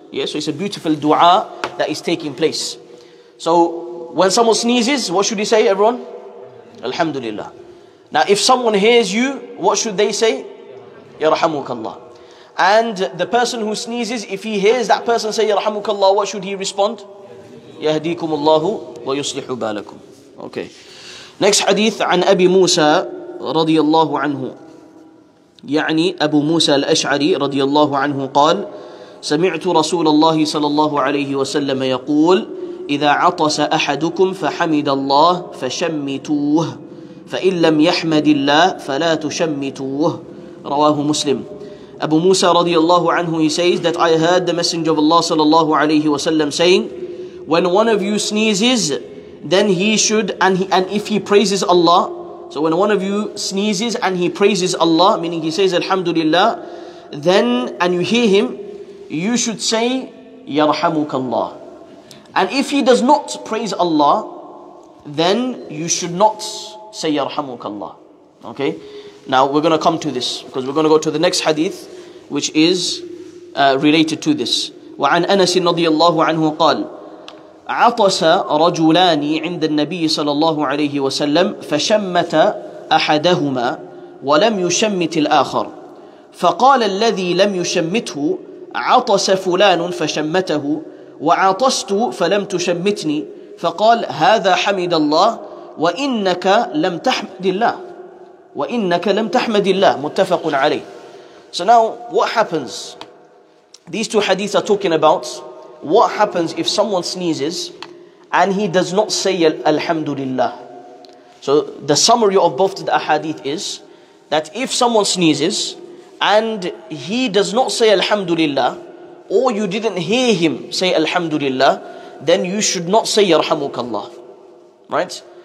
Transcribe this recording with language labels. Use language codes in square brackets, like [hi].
[en] Yeah, so it's a beautiful dua that is taking place. So when someone sneezes, what should he say, everyone? Alhamdulillah. Now if someone hears you, what should they say? Yarhamukallah. And the person who sneezes, if he hears that person say Yarhamukallah, what should he respond? Yahdikumullahu wa yuslihu balakum. Okay. Next hadith, [ar] عن أبي موسى رضي الله عنه. يعني أبو موسى الأشعري رضي الله عنه قال سمعت رسول الله صلى الله عليه وسلم يقول إذا عطس أحدكم فحمد الله فشمتوه فإن لم يحمد الله فلا تشمتوه رواه مسلم. أبو موسى رضي الله عنه, [en] he says that I heard the messenger of Allah [ar] صلى الله عليه وسلم [en] saying, when one of you sneezes, then he should, and if he praises Allah, so when one of you sneezes and he praises Allah, meaning he says Alhamdulillah, then, and you hear him, you should say Yarhamukallah. And if he does not praise Allah, then you should not say Yarhamukallah. Okay, now we're going to come to this, because we're going to go to the next hadith, which is related to this. [ar] وعن أنس رضي الله عنه قال عطس رجلان عند النبي صلى الله عليه وسلم فشمت أحدهما ولم يشمت الآخر فقال الذي لم يشمته عطس فلان فشمته وعطست فلم تشمتني فقال هذا حمد الله وإنك لم تحمد الله وإنك لم تحمد الله متفق عليه. [en] So now what happens? These two hadiths are talking about what happens if someone sneezes and he does not say Alhamdulillah. So the summary of both the hadith is that if someone sneezes and he does not say Alhamdulillah, or you didn't hear him say Alhamdulillah, then you should not say Yarhamukallah. Right?